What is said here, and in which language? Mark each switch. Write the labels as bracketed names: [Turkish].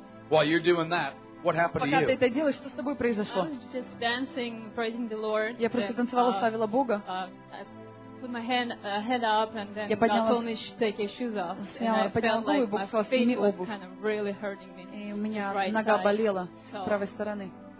[English] While you're doing that, what happened [Russian] Пока [English] to you? [Russian] Пока ты это делаешь, что с тобой произошло? [English] I was just dancing, praising the Lord. [Russian] Я просто танцевала, славила Бога. [English] Put my head up and then God told me to take your shoes off. I felt like my feet was kind of really hurting me. [Russian] И у меня нога болела с правой стороны.